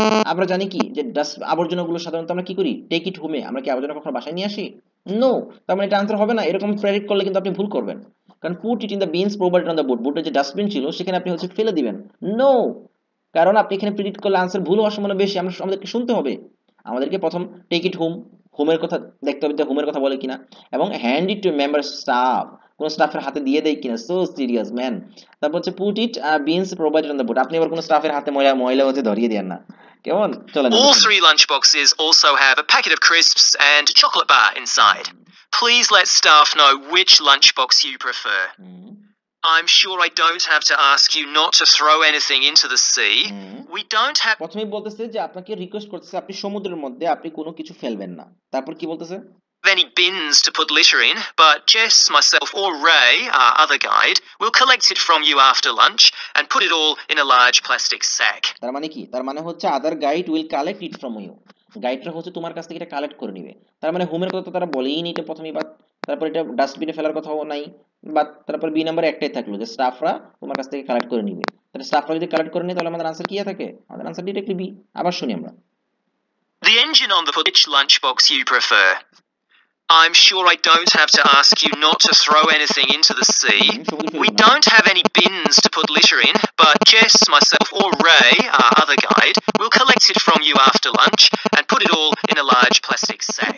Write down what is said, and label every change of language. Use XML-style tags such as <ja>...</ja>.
<bn>আমরা জানি কি যে ডাস্ট আবর্জনাগুলো সাধারণত আমরা কি করি</bn> <en>take it হোমে,</en> <bn>আমরা কি আবর্জনা কখনো বাসায় নিয়ে আসি, নো, তার মানে এটা আনসার হবে না, এরকম প্রেডিক্ট করলে কিন্তু আপনি ভুল করবেন কারণ</bn> <en>put it in the bins provide on the board,</en> <bn>বোর্ডের যে ডাস্টবিন ছিল সেখানে আপনি হচ্ছে ফেলে দিবেন, নো, কারণ আপনি এখানে প্রিডিক্ট করলে আনসার ভুল হওয়ার সম্ভাবনা বেশি, আমরা আমাদেরকে শুনতে হবে, আমাদেরকে প্রথম টেক ইট হোম, হোমের কথা দেখতে হবে যে হোমের কথা বলে কিনা, এবং</bn> <en>hand it to member staff,</en> <bn>কোন স্টাফের হাতে দিয়ে দেয় কিনা, সো সিরিয়াস ম্যান। তারপর হচ্ছে</bn> <en>put it bins provided on the board,</en> <bn>আপনি আবার কোন স্টাফের হাতে ময়লা ময়লা হচ্ছে ধরিয়ে দেন না, কেমন চলে।</bn> <en>All three lunch boxes also have a packet of crisps and chocolate bar inside. Please let staff know which lunch box you prefer. I'm sure I don't have to ask you not to throw anything into the sea. We don't have</en> <bn>প্রথমে বলতেছে যে আপনাকে request করতেছে আপনি সমুদ্রের মধ্যে আপনি কোনো কিছু ফেলবেন না। তারপর কি বলতেছে?</bn> <en>Any bins to put litter in, but Jess, myself or Ray, our other guide, will collect it from you after lunch and put it all in a large plastic sack.</en> <bn>তার মানে কি? তার মানে হচ্ছে</bn> <en>other guide will collect it from you.</en> <bn>গাইডরা হচ্ছে তোমার কাছ থেকে এটা কালেক্ট করে নিবে। তার মানে হোমের কথা তো তারা বলেই নি এটা প্রথমেই বাদ। তারপর এটা ডাস্টবিনে ফেলার কথাও নাই। বা তারপর বি নাম্বার একটাই থাকলো যে স্টাফরা তোমার কাছ থেকে কালেক্ট করে নিবে। তাহলে স্টাফরা যদি কালেক্ট করে নেয় তাহলে আমাদের আনসার কি থাকে? আমাদের আনসার ডিরেক্টলি বি। আবার শুনি আমরা।</bn> <en>The engine on the which lunch box you prefer? I'm sure I don't have to ask you not to throw anything into the sea. We don't have any bins to put litter in, but Jess, myself, or Ray, our other guide, will collect it from you after lunch and put it all in a large plastic sack.</en>